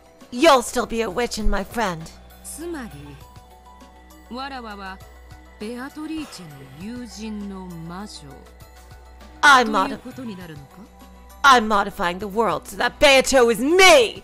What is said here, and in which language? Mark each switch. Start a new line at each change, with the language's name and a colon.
English: You'll still be a witch and my friend.
Japanese: つまり、わらわは、ベアトリーチェの友人の魔女ということになるのか?
English: I'm modifying the world so that Beato is me!